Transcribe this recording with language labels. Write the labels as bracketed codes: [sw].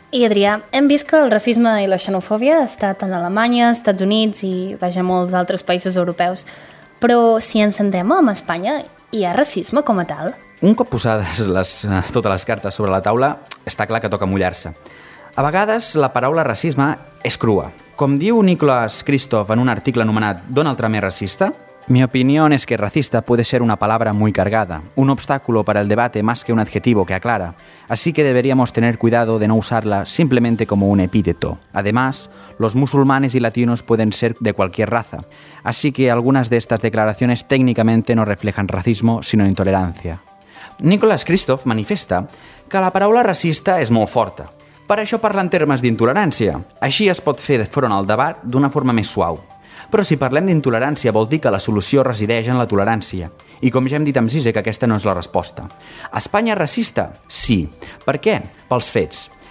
[ca] I Adrià, hem vist que el racisme i la xenofòbia ha estat en Alemanya, Estats Units i, vaja, molts altres països europeus. Però si ens centrem en Espanya, hi ha racisme com a tal? Un cop posades totes les cartes sobre la taula, està clar que toca mullar-se. A vegades la paraula racisme és crua. Com diu Nicolas Kristof en un article anomenat [es] «Donald Trump es racista»? Mi opinión es que racista puede ser una palabra muy cargada, un obstáculo para el debate más que un adjetivo que aclara, así que deberíamos tener cuidado de no usarla simplemente como un epíteto. Además, los musulmanes y latinos pueden ser de cualquier raza, así que algunas de estas declaraciones técnicamente no reflejan racismo, sino intolerancia. [ca] Nicolas Kristof manifesta que la paraula racista és molt forta. Per això parla en termes d'intolerància. Així es pot fer front al debat d'una forma més suau. Però si parlem d'intolerància vol dir que la solució resideix en la tolerància. I com ja hem dit amb Zizek, aquesta no és la resposta. Espanya és racista? Sí. Per què? Pels fets.